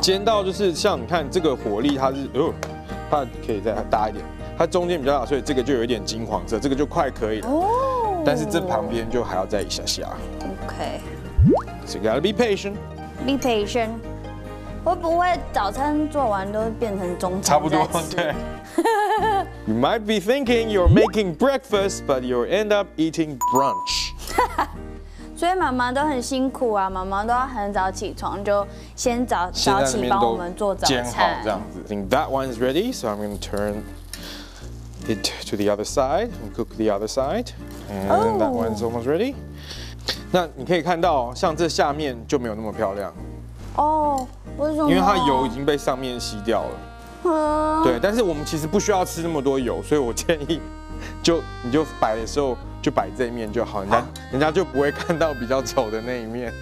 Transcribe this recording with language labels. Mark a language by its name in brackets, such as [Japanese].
[Chinese] 煎到就是像你看这个火力，它是它可以再大一点，它中间比较大，所以这个就有一点金黄色，这个就快可以了。哦。但是这旁边就还要再一下下。 [English] OK。 So gotta be patient. Be patient. [Chinese] 会不会早餐做完都变成中餐？差不多，对。 [English] You might be thinking you're making breakfast, but you end up eating brunch. [Chinese] 所以妈妈都很辛苦啊，妈妈都要很早起床，就先早起帮我们做早餐。煎好这样子。 [English] I think that one is ready, so I'm going to turn it to the other side and cook the other side, and that one's almost ready. [Chinese] 那你可以看到，像这下面就没有那么漂亮。哦，为什么？因为它油已经被上面吸掉了。对，但是我们其实不需要吃那么多油，所以我建议你就摆的时候。就摆这一面就好，人家就不会看到比较丑的那一面。